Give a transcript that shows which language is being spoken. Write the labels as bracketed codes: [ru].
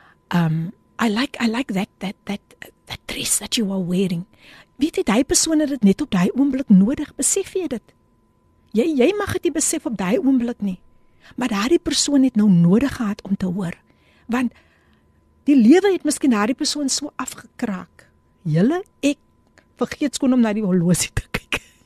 [en] I like that dress that you are wearing. [af] Weet jy, daai persoon het dit net op daai oomblik nodig. Besef jy dit? Jy mag dit nie besef op daai oomblik nie. Maar daardie persoon het nou nodig gehad om te hoor. Want die lewe het miskien daardie persoon so afgekraak. Julle, ek vergeet skoon om na die horlosie te kyk.